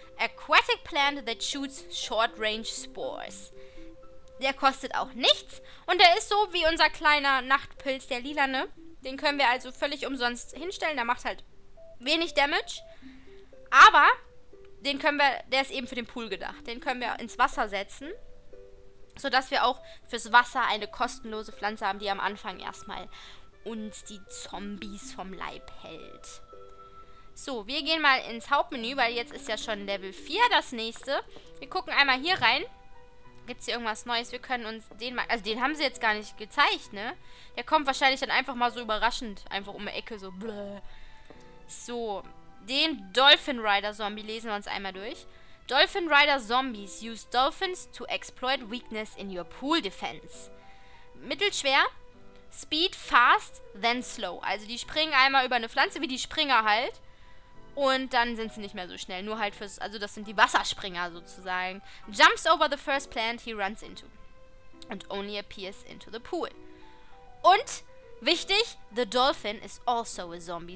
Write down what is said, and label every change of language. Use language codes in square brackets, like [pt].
[en] Aquatic plant that shoots short-range spores. [de] Der kostet auch nichts. Und der ist so wie unser kleiner Nachtpilz, der lila, ne? Den können wir also völlig umsonst hinstellen. Der macht halt wenig Damage. Aber den können wir, der ist eben für den Pool gedacht. Den können wir ins Wasser setzen. Sodass wir auch fürs Wasser eine kostenlose Pflanze haben, die am Anfang erstmal uns die Zombies vom Leib hält. So, wir gehen mal ins Hauptmenü, weil jetzt ist ja schon Level 4 das nächste. Wir gucken einmal hier rein. Gibt es hier irgendwas Neues? Wir können uns den mal... Also den haben sie jetzt gar nicht gezeigt, ne? Der kommt wahrscheinlich dann einfach mal so überraschend. Einfach um die Ecke so... Bläh. So, den Dolphin Rider Zombie lesen wir uns einmal durch. [en] Dolphin Rider Zombies use dolphins to exploit weakness in your pool defense. Mittelschwer, speed fast, then slow. [de] Also die springen einmal über eine Pflanze, wie die Springer halt. Und dann sind sie nicht mehr so schnell. Nur halt fürs, also das sind die Wasserspringer sozusagen. [en] Jumps over the first plant he runs into. And only appears into the pool. [de] Und, wichtig, [en] the dolphin is also a zombie.